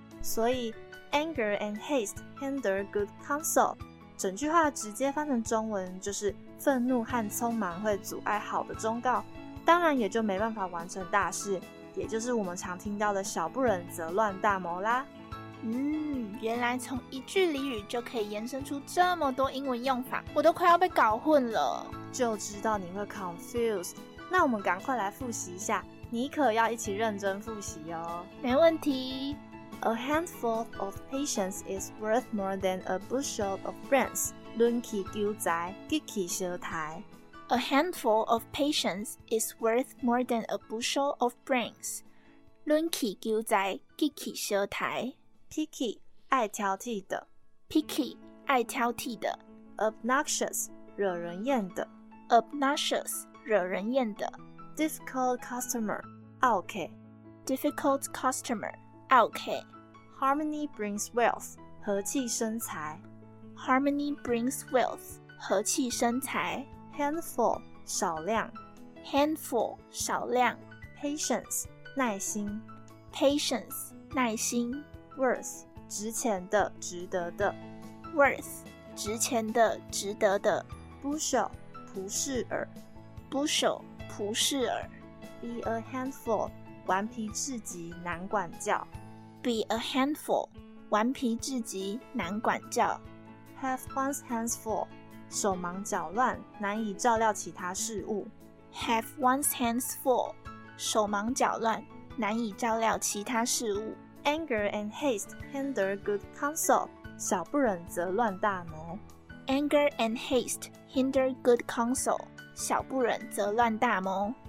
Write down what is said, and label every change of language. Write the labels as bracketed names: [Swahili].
[Chinese] 所以 [English] anger and haste hinder good counsel [Chinese] 整句话直接翻成中文就是愤怒和匆忙会阻碍好的忠告，当然也就没办法完成大事，也就是我们常听到的小不忍则乱大谋啦。原来从一句俚语就可以延伸出这么多英文用法，我都快要被搞混了。就知道你会 confused， 那我们赶快来复习一下，你可要一起认真复习哦。没问题。 [English] A handful of patience is worth more than a bushel of brains。 [Chinese] 抡起丢仔，举起舌台。 [English] A handful of patience is worth more than a bushel of brains。 [Chinese] 抡起丢仔，举起舌台。 Picky， 爱挑剔的。 Picky， 爱挑剔的。 Obnoxious， 惹人厌的。 Obnoxious， 惹人厌的。 [English] Difficult customer， 拗客。 Difficult customer， 拗客。 Harmony brings wealth， [Chinese] 和气生财。 [English] Harmony brings wealth， [Chinese] 和气生财。 Handful， 少量。 Handful， 少量。 Patience， 耐心。 Patience， 耐心。 Worth， 值钱的，值得的。 Worth， 值钱的，值得的。 Bushel， 蒲式耳。 Bushel， 蒲式耳。 [English] Be a handful， [Chinese] 顽皮至极，难管教。 [English] Be a handful， [Chinese] 顽皮至极，难管教。 [English] Have one's hands full， [Chinese] 手忙脚乱，难以照料其他事物。 [English] Have one's hands full， [Chinese] 手忙脚乱，难以照料其他事物。 [English] Anger and haste hinder good counsel， [Chinese] 小不忍则乱大谋。 [English] Anger and haste hinder good counsel， [Chinese] 小不忍则乱大谋。